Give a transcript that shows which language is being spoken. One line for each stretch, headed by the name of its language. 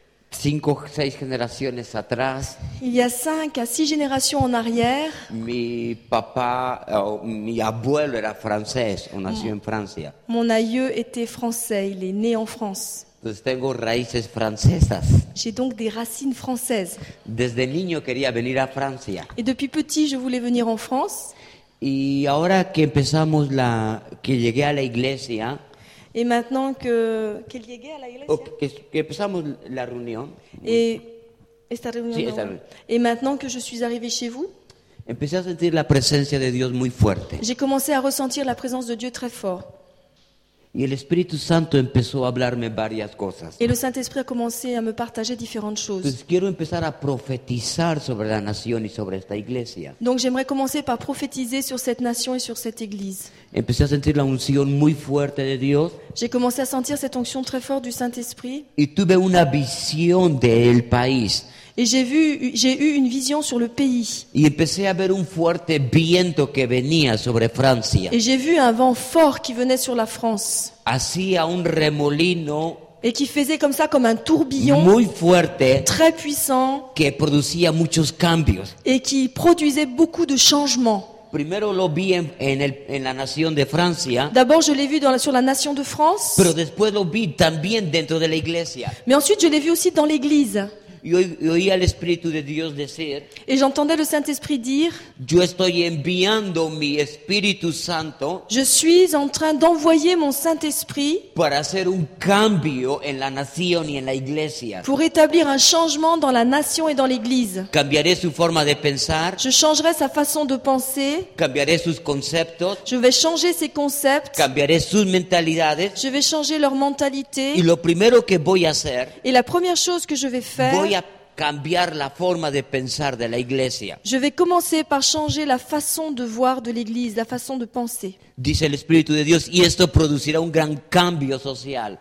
Spanish: Cinco, seis generaciones atrás.
French: Il y a 5 à 6 générations en arrière.
Spanish: Mi papá, mi abuelo era francés. On nació en Francia.
French: Mon aïeu était français. Il est né en France.
Spanish: Entonces tengo raíces francesas.
French: J'ai donc des racines françaises.
Spanish: Desde niño quería venir a Francia.
French: Et depuis petit, je voulais venir en France.
Spanish: Y ahora que empezamos la, que llegué a la iglesia.
French: Et maintenant que qu'il y ait à la iglesia.
Spanish: Oh, que empezamos la reunión. Et esta reunión. Sí, esta reunión.
French: Et maintenant que je suis arrivé chez vous.
Spanish: Empecé a sentir la presencia de Dios muy fuerte.
French: J'ai commencé à ressentir la présence de Dieu très fort.
Spanish: Y el Espíritu Santo empezó a hablarme varias cosas.
French: Et le Saint-Esprit a commencé à me partager différentes choses.
Spanish: Entonces, quiero empezar a profetizar sobre la nación y sobre esta iglesia.
French: Donc j'aimerais commencer par prophétiser sur cette nation et sur cette église.
Spanish: Empecé a sentir la unción muy fuerte de Dios.
French: J'ai commencé à sentir cette onction très forte du Saint-Esprit.
Spanish: Y tuve una visión del país.
French: Et j'ai eu une vision sur le pays.
Spanish: Y empecé a ver un fuerte viento que venía sobre Francia.
French: Et j'ai vu un vent fort qui venait sur la France.
Spanish: Hacía un remolino.
French: Et qui faisait comme ça, comme un tourbillon.
Spanish: Muy fuerte.
French: Très puissant.
Spanish: Que producía muchos cambios.
French: Et qui produisait beaucoup de changements.
Spanish: Primero lo vi en la nación de Francia.
French: D'abord je l'ai vu sur la nation de France.
Spanish: Pero después lo vi también dentro de la iglesia.
French: Mais ensuite je l'ai vu aussi dans l'église.
Spanish: Yo oía al Espíritu de Dios decir.
French: Et j'entendais le Saint-Esprit dire.
Spanish: Yo estoy enviando mi Espíritu Santo.
French: Je suis en train d'envoyer mon Saint-Esprit.
Spanish: Para hacer un cambio en la nación y en la iglesia.
French: Pour établir un changement dans la nation et dans l'église.
Spanish: Cambiaré su forma de pensar.
French: Je changerai sa façon de penser.
Spanish: Cambiaré sus conceptos.
French: Je vais changer ses concepts.
Spanish: Cambiaré sus mentalidades.
French: Je vais changer leur mentalité.
Spanish: Y lo primero que voy a hacer.
French: Et la première chose que je vais faire.
Spanish: Voy a cambiar la forma de pensar de la iglesia.
French: Je vais commencer par changer la façon de voir de l'église, la façon de penser.
Spanish: Dice el Espíritu de Dios, y esto producirá un gran cambio social.